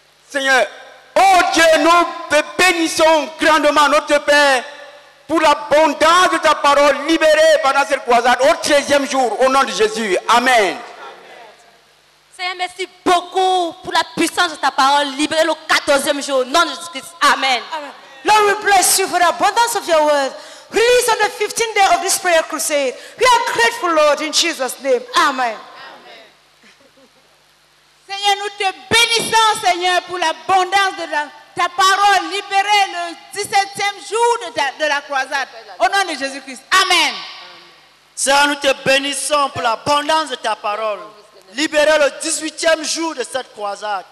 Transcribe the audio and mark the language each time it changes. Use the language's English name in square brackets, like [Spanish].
[French] Seigneur, oh Dieu, nous te bénissons grandement, notre Père, pour l'abondance de ta parole libérée pendant cette croisade au treizième jour. Au nom de Jésus. Amen. Seigneur, merci beaucoup pour la puissance de ta parole libérée le 14e jour. Au nom de Jésus-Christ. Amen. Amen. [English] Lord, we bless you for the abundance of your word. Release on the 15th day of this prayer crusade. We are grateful, Lord, in Jesus' name. Amen. Amen. [French] Seigneur, nous te bénissons, Seigneur, pour l'abondance de ta parole libérée le 17e jour de la croisade. Au nom de Jésus-Christ. Amen. Amen. Seigneur, nous te bénissons pour l'abondance de ta parole libéré le 18e jour de cette croisade.